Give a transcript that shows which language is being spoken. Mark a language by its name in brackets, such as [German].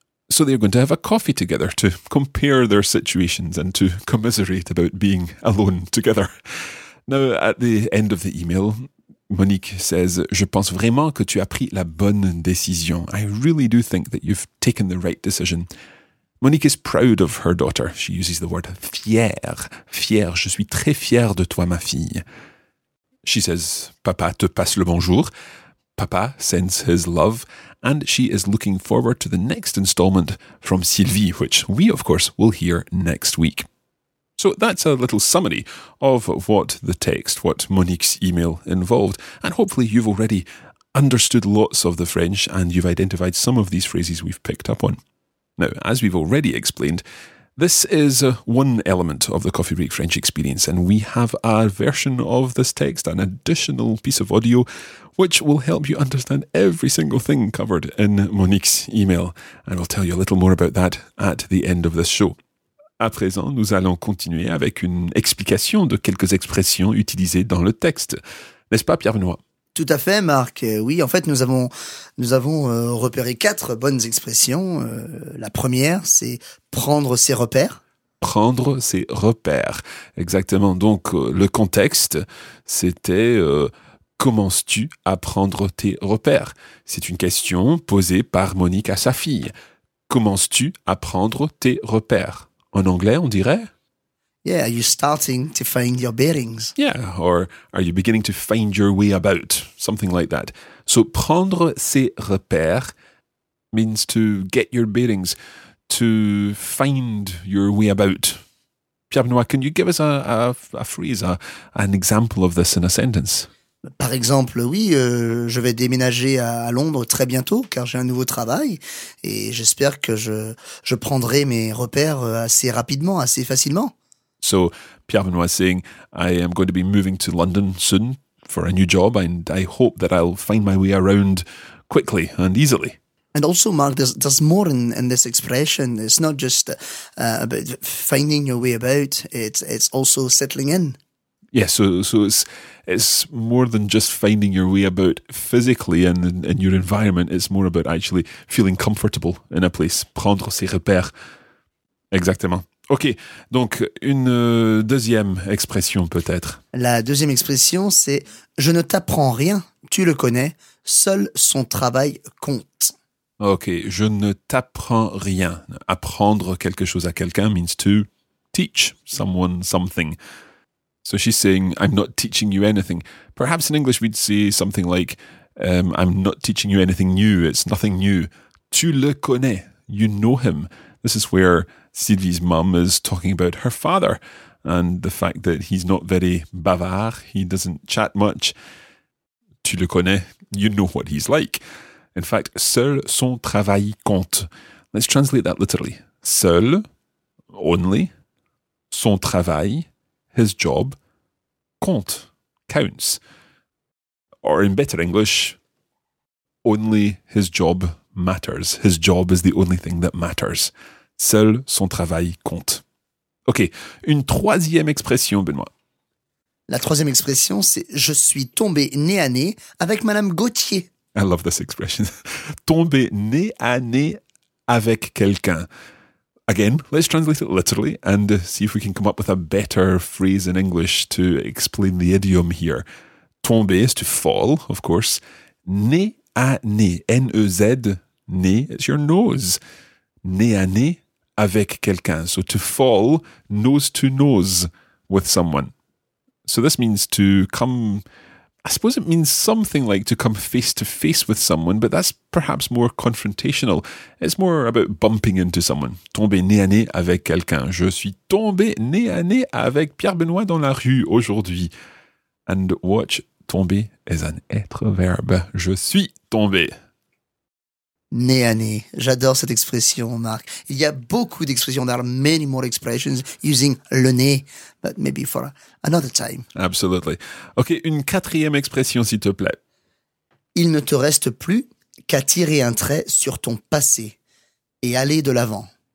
[English] So they're going to have a coffee together to compare their situations and to commiserate about being alone together. Now, at the end of the email, Monique says, [French] "Je pense vraiment que tu as pris la bonne décision." [English] I really do think that you've taken the right decision. Monique is proud of her daughter. She uses the word fière. [French] Fière, je suis très fière de toi, ma fille. [English] She says, [French] "Papa te passe le bonjour." [English] Papa sends his love. And she is looking forward to the next installment from Sylvie, which we, of course, will hear next week. So that's a little summary of what the text, what Monique's email involved. And hopefully you've already understood lots of the French and you've identified some of these phrases we've picked up on. Now, as we've already explained, this is one element of the Coffee Break French experience. And we have a version of this text, an additional piece of audio, which will help you understand every single thing covered in Monique's email. And I'll tell you a little more about that at the end of this show. [French] À présent, nous allons continuer avec une explication de quelques expressions utilisées dans le texte. N'est-ce pas, Pierre-Benoît ? Tout à fait, Marc. Oui, en fait, nous avons repéré quatre bonnes expressions. La première, c'est « prendre ses repères ». Prendre ses repères. Exactement. Donc, le contexte, c'était « commences-tu à prendre tes repères ?» C'est une question posée par Monique à sa fille. « Commences-tu à prendre tes repères ?» En anglais, on dirait... [English] Yeah, are you starting to find your bearings? Yeah, or are you beginning to find your way about? Something like that. So, [French] prendre ses repères [English] means to get your bearings, to find your way about. Pierre-Benoît, can you give us a phrase, an example of this in a sentence? [French] Par exemple, oui, je vais déménager à Londres très bientôt car j'ai un nouveau travail et j'espère que je prendrai mes repères assez rapidement, assez facilement. [English] So, Pierre-Benoît saying, I am going to be moving to London soon for a new job and I hope that I'll find my way around quickly and easily. And also, Mark, there's more in this expression. It's not just about finding your way about, it's also settling in. Yeah, so it's more than just finding your way about physically and in your environment. It's more about actually feeling comfortable in a place. [French] Prendre ses repères. Exactement. OK, donc une deuxième expression peut-être. La deuxième expression, c'est « Je ne t'apprends rien, tu le connais, seul son travail compte. » OK, « Je ne t'apprends rien. » Apprendre quelque chose à quelqu'un [English] means to teach someone something. So she's saying, I'm not teaching you anything. Perhaps in English we'd say something like, I'm not teaching you anything new. It's nothing new. [French] Tu le connais. [English] You know him. This is where Sylvie's mum is talking about her father and the fact that he's not very bavard. He doesn't chat much. [French] Tu le connais. [English] You know what he's like. In fact, [French] seul son travail compte. [English] Let's translate that literally. Seul, only, son travail, his job, compte, counts. Or in better English, only his job matters. His job is the only thing that matters. [French] Seul son travail compte. Okay, une troisième expression, Benoît. La troisième expression, c'est « Je suis tombé nez à nez avec Madame Gauthier ». [English] I love this expression. [French] Tomber nez à nez avec quelqu'un. [English] Again, let's translate it literally and see if we can come up with a better phrase in English to explain the idiom here. Tomber is to fall, of course. Nez à nez. N-E-Z, nez, it's your nose. Nez à nez avec quelqu'un. So to fall nose to nose with someone. So this means to come... I suppose it means something like to come face to face with someone, but that's perhaps more confrontational. It's more about bumping into someone. [French] Tomber nez à nez avec quelqu'un. Je suis tombé nez à nez avec Pierre Benoît dans la rue aujourd'hui. [English] And watch, tomber is an être verbe. [French] Je suis tombé. Nez à nez. J'adore cette expression, Marc. Il y a beaucoup d'expressions. [English] There are many more expressions using le nez, but maybe for another time. Absolutely. [French] OK, une quatrième expression, s'il te plaît. Il ne te reste plus qu'à tirer un trait sur ton passé et aller de l'avant.